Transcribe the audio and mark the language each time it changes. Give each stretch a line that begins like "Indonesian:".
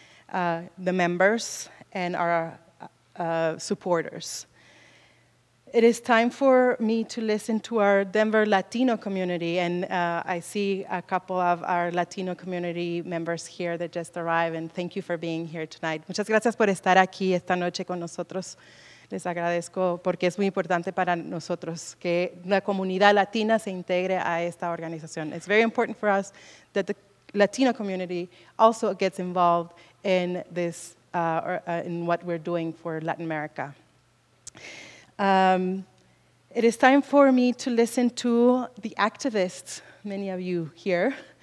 English: The members and our supporters. It is time for me to listen to our Denver Latino community, and I see a couple of our Latino community members here that just arrived, and thank you for being here tonight.
Spanish: Muchas gracias por estar aquí esta noche con nosotros. Les agradezco porque es muy importante para nosotros que la comunidad latina se integre a esta organización.
English: It's very important for us that the Latino community also gets involved in this in what we're doing for Latin America. It is time for me to listen to the activists, many of you here.